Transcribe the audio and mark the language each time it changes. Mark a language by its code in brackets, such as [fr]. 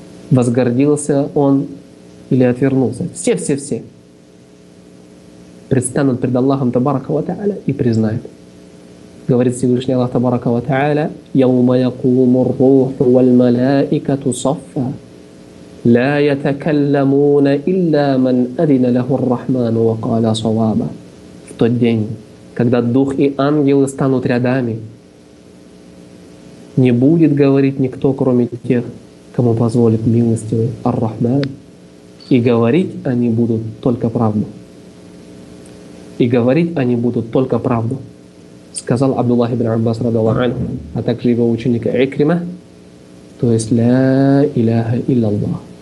[ru] Возгордился он или отвернулся. Все-все-все предстанут пред Аллахом [ar] Табарака ва Тааля [ru] и признают. Говорит Всевышний Аллах [ar] Табарака ва Тааля, «Яума якуму рух валь малаикату саффа». لا يتكلمون إلا من أذن له الرحمن وقال صوابا. [ru] В тот день, когда дух и ангелы станут рядами, не будет говорить никто, кроме тех, кому позволит милостивый Ар-Рахман, и говорить они будут только правду. И говорить они будут только правду. Сказал Абдуллах ибн Аббас [ar] رضي الله عنه, [ru] а также его ученик Икрима, то есть [ar] لا إله إلا الله.